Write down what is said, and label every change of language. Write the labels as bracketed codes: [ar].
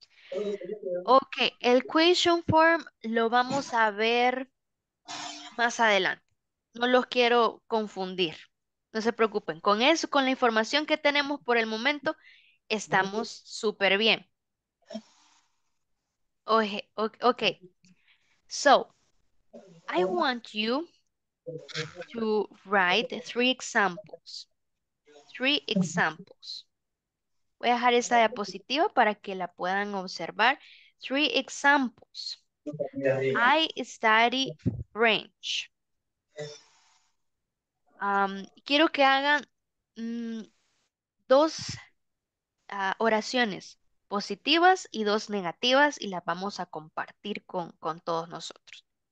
[es] Okay, el [en] question form [es] lo vamos a ver más adelante. No los quiero confundir. No se preocupen. Con eso, con la información que tenemos por el momento, estamos súper bien. [en] Okay. So, I want you to write three examples. Three examples. [es] Voy a dejar esta diapositiva para que la puedan observar. [en] Three examples. I study French. [es] Quiero que hagan dos oraciones positivas y dos negativas y las vamos a compartir con todos nosotros.